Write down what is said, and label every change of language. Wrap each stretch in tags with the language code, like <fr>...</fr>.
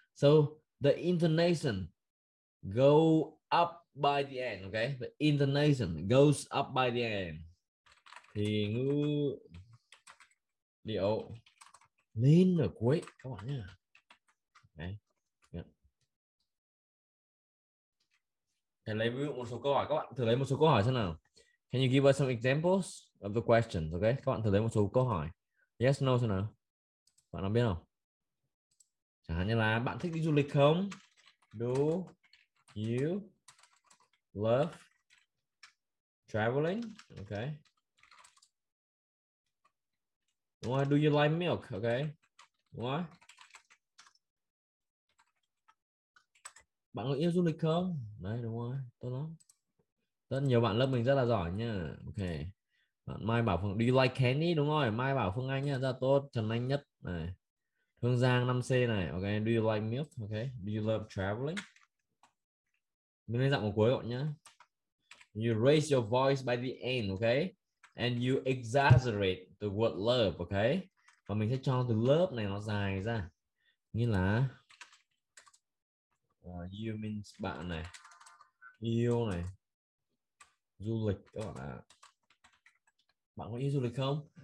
<en>So the intonation go up by the end. Okay. The intonation goes up by the end.</en> <vi>Thì ngữ điệu lên ở cuối các bạn nhá. Okay. Thầy lấy ví dụ một số câu hỏi, các bạn thử lấy một số câu hỏi xem nào.</vi> <en>Can you give us some examples of the questions, okay?</en> <vi>Các bạn thử lấy một số câu hỏi. Yes, no xem nào. Bạn nào biết không? Chẳng hạn như là bạn thích đi du lịch không?</vi> <en>Do you love traveling? Okay.</en> <vi>Đúng rồi,</vi> <en>do you like milk? Okay. Đúng rồi.</en> <vi>Bạn có yêu du lịch không? Đấy đúng rồi, tốt lắm. Rất nhiều bạn lớp mình rất là giỏi nha. Ok. Bạn Mai Bảo Phương,</vi> <en>do you like candy?</en> <vi>Đúng rồi, Mai Bảo Phương Anh nha, rất là tốt. Trần Anh Nhất này, Hương Giang 5C này.</vi> <en>Ok, do you like milk? Ok, do you love traveling?</en> <vi>Mình lên giọng một cuối gọi nhá.</vi> <en>You raise your voice by the end, ok? And you exaggerate the word love, ok?</en> <vi>Và mình sẽ cho từ love này nó dài ra. Nghĩa là</vi> <en>you means</en> <vi>bạn này, yêu này, du lịch các bạn ạ. Bạn có yêu du lịch không?</vi>